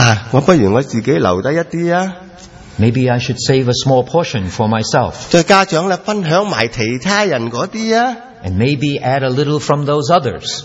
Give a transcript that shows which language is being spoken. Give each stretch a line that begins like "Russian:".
Chinese: 我不如我自己留下一些,
English: maybe I should save a small portion for myself.
Chinese: 再加上分享其他人那些,
English: and maybe add a little from those others.